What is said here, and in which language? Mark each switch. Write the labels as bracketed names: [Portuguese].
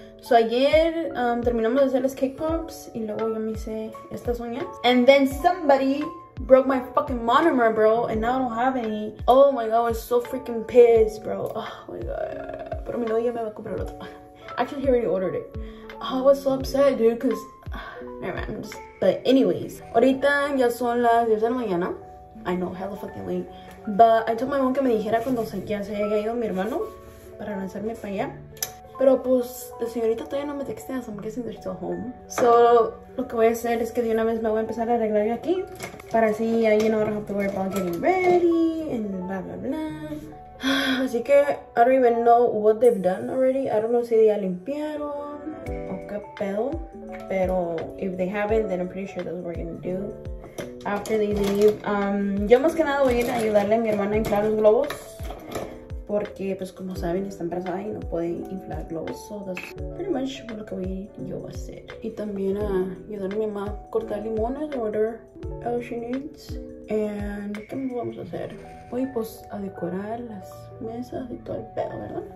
[Spanish] So ayer terminamos de hacer las cake pops y luego yo me hice estas uñas. [English] And then somebody broke my fucking monomer, bro, and now I don't have any. Oh my god, I was so freaking pissed, bro. Oh my god. [Spanish] Pero mi novia me va a comprar otro. [English] Actually, he already ordered it. Oh, I was so upset, dude, because... never mind, I'm just... But anyways, [Spanish] ahorita ya son las 10 de la mañana. [English] I know, hella fucking late. But I told my mom [Spanish] que me dijera cuando se, ya se haya ido mi hermano para lanzarme para allá. Pero pues, la señorita todavía no me textea, [English] so I'm guessing they're still home. [Spanish] So, lo que voy a hacer es que de una vez me voy a empezar a arreglar yo aquí. Para así, [English] you know, I don't have to worry about getting ready and blah, blah, blah. [Spanish] Así que, [English] I don't even know what they've done already. I don't know [Spanish] si ya limpiaron o qué pedo. Pero, [English] if they haven't, then I'm pretty sure that's what we're gonna do after they leave. [Spanish] Yo más que nada voy a ir a ayudarle a mi hermana a inflar los globos. Porque, pues, como saben, está embarazada y no puede inflar globos. [English] So, that's pretty much what [Spanish] lo que voy yo a hacer. Y también a ayudar a mi mamá a cortar limones, [English] whatever else she needs. And, [Spanish] ¿qué más vamos a hacer? Voy, pues, a decorar las mesas y todo el pedo, ¿verdad?